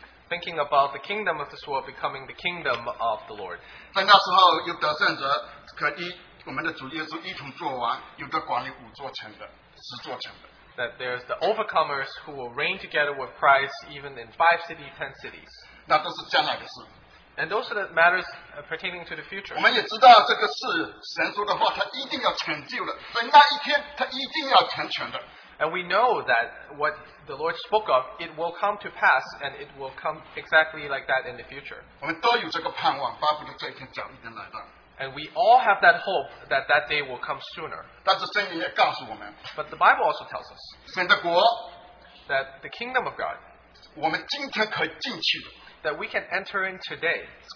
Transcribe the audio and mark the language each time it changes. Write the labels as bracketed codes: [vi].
[en] Thinking about the kingdom of this world becoming the kingdom of the Lord. [zh] 在那时候有得胜者可以我们的主耶稣一同作王，有的管理五座城的。 [en] That there's the overcomers who will reign together with Christ even in 5 cities, 10 cities. [zh] 那都是将来的事。 [en] And those are the matters pertaining to the future. [zh] 我们也知道这个事，神说的话，他一定要成就的，在那一天，他一定要成全的。 [en] And we know that what the Lord spoke of, it will come to pass, and it will come exactly like that in the future. [zh] 我们都有这个盼望，巴不得这一天早一点来到。 [en] And we all have that hope that that day will come sooner. But the Bible also tells us [zh] 神的国, [en] that the kingdom of God, that we can enter in today,